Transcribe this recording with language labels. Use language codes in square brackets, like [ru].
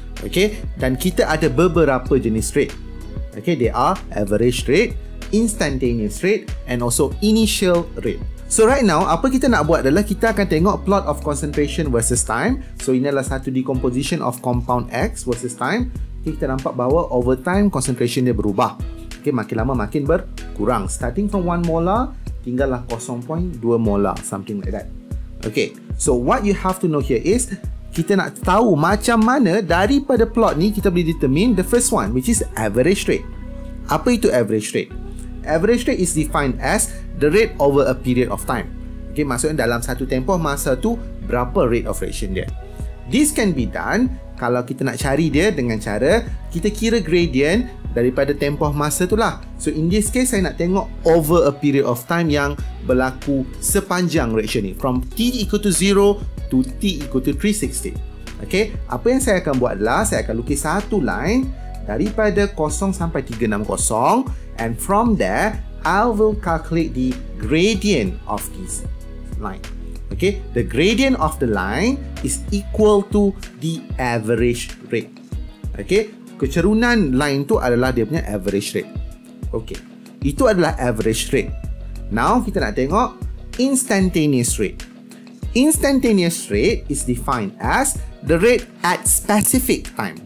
[ms] Okay, dan kita ada beberapa jenis rate. [en] Okay, they are average rate, instantaneous rate and also initial rate. So right now, [ms] apa kita nak buat adalah kita akan tengok [en] plot of concentration versus time. So [ms] ini adalah satu [en] decomposition of compound X versus time. [ms] Okay, kita nampak bahawa [en] over time [ms] concentration dia berubah. Okay, makin lama makin berkurang. [en] Starting from 1 molar, [ms] tinggallah [en] 0.2 molar, something like that. Okay, so what you have to know here is, [ms] kita nak tahu macam mana daripada plot ni kita boleh [en] determine the first one, which is average rate. [ms] Apa itu [en] average rate? Average rate is defined as the rate over a period of time. [ms] Okay, maksudnya dalam satu tempoh masa tu, berapa rate of reaction dia. [en] This can be done [ms] kalau kita nak cari dia dengan cara kita kira gradient daripada tempoh masa tu lah. [en] So in this case, [ms] saya nak tengok [en] over a period of time [ms] yang berlaku sepanjang reaction ni. [en] From T equal to 0 to T equal to 360. Okay, [ms] apa yang saya akan buat adalah saya akan lukis satu line daripada 0 sampai 360, [en] and from there I will calculate the gradient of this line. Okay, the gradient of the line is equal to the average rate. [ms] Okay, kecerunan line tu adalah dia punya average rate. Okay, itu adalah average rate. Now kita nak tengok instantaneous rate. [en] Instantaneous rate is defined as the rate at specific time.